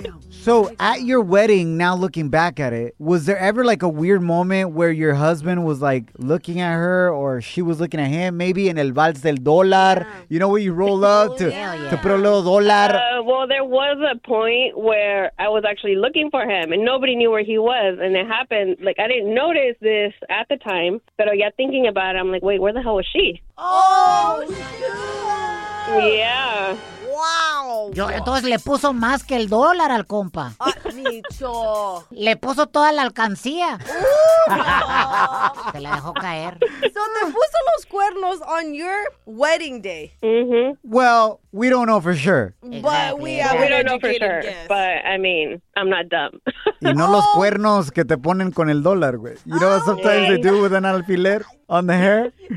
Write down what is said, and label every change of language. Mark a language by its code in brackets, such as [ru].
[en] So at your wedding, now looking back at it, was there ever like a weird moment where your husband was like looking at her or she was looking at him, maybe in el vals del dólar, you know, where you roll up to put a little dólar? Well, there was a point where I was actually looking for him and nobody knew where he was. And it happened, like, I didn't notice this at the time, but yeah, thinking about it, I'm like, wait, where the hell was she? Oh, yeah. Yeah. Wow. [es] Yo, entonces le puso más que el dólar al compa. Nicho. Le puso toda la alcancía. Se la dejó caer. [en] So [es] te puso los cuernos [en] on your wedding day. Mm-hmm. Well, we don't know for sure. Exactly. But we don't know for sure. Guess. But I mean, I'm not dumb. [es] Y no los cuernos que te ponen con el dólar, güey. [en] You know what sometimes they do with an alfiler on the hair?